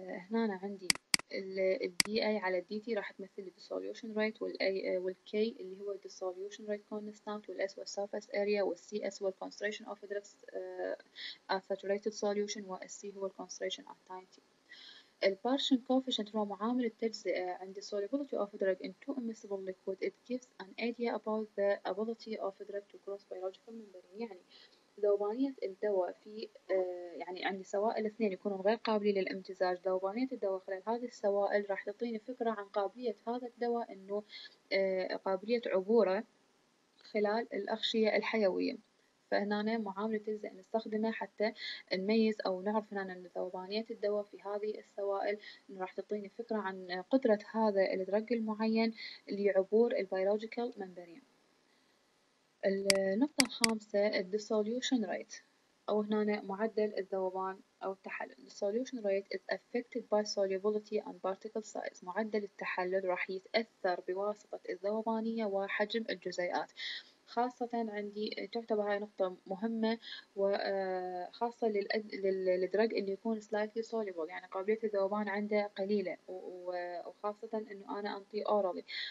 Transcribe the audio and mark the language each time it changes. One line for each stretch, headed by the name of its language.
Arabic: هنا أنا عندي الدي أي على الدي تي راح تمثل الديسوليوشن ريت، والكي اللي هو الديسوليوشن ريت كونستانت، والأس والسرفس أريا، والسي أس والكونستريشن أوف دركس ساتوريتد سوليوشن، والسي هو الكونستريشن أت تايم تي. البارشن كوفيشنت هو معامل التجزئة عند
English: solubility of drug in two immiscible liquid. It gives an idea about the ability of drug to cross biological membrane.
Arabic: يعني ذوبانية الدواء في يعني عندي سوائل اثنين يكونوا غير قابلين للامتزاج، ذوبانية الدواء خلال هذه السوائل راح تعطيني فكرة عن قابلية هذا الدواء انه قابلية عبوره خلال الأغشية الحيوية. فهنا معاملة تجزئة نستخدمها حتى نميز أو نعرف هنا أن ذوبانية الدواء في هذه السوائل راح تعطيني فكرة عن قدرة هذا الدرج المعين لعبور البيولوجيكال ممبرين. النقطة الخامسة الديسوليوشن ريت، أو هنا معدل الذوبان أو التحلل.
English: الديسوليوشن rate is affected by solubility and particle size.
Arabic: معدل التحلل راح يتأثر بواسطة الذوبانية وحجم الجزيئات، خاصة عندي تعتبر هاي نقطة مهمة، وخاصة للدرج اللي يكون slightly soluble، يعني قابلية الذوبان عنده قليلة، وخاصة انه انا انطي اورالي.